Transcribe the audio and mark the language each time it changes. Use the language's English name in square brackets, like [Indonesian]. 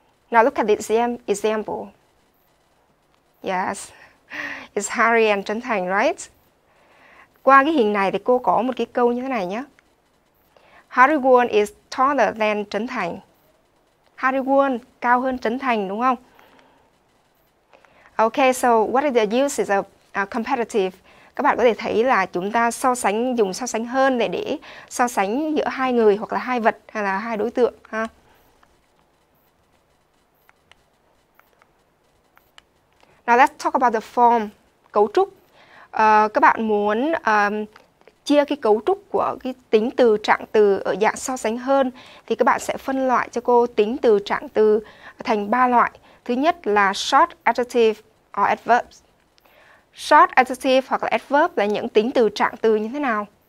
[English] Now look at this example. Yes. It's Harry and Trấn Thành, right? [Vietnamese] Qua cái hình này thì cô có một cái câu như thế này nhé. [English] Harry Won is taller than Trấn Thành. [Vietnamese] Harry Won cao hơn Trấn Thành, đúng không? [English] Okay, so what is the use of comparative? [Vietnamese] Các bạn có thể thấy là chúng ta so sánh, dùng so sánh hơn để so sánh giữa hai người hoặc là hai vật hay là hai đối tượng. Ha? [English] Now let's talk about the form, cấu trúc. [Vietnamese] Các bạn muốn chia cái cấu trúc của cái tính từ trạng từ ở dạng so sánh hơn thì các bạn sẽ phân loại cho cô tính từ trạng từ thành 3 loại. Thứ nhất là short adjective or adverbs. Short adjective hoặc là adverb là những tính từ trạng từ như thế nào?